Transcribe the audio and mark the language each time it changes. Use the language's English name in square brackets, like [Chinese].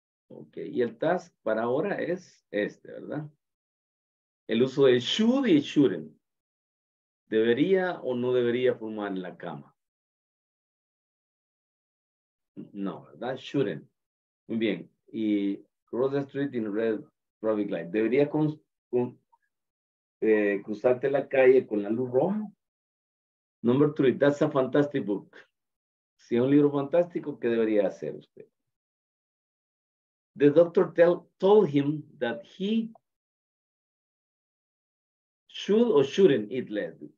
[Spanish] Ok, y el task para ahora es este, ¿verdad? El uso de should y shouldn't. ¿Debería o no debería fumar en la cama? No, ¿verdad? Shouldn't. Muy bien. [English] Y cross the street in red traffic light. [Spanish] ¿Debería cruzarte la calle con la luz roja? [English] Number 3, that's a fantastic book. [Spanish] Si es un libro fantástico, ¿qué debería hacer usted? [English] The doctor told him that he should or shouldn't eat less.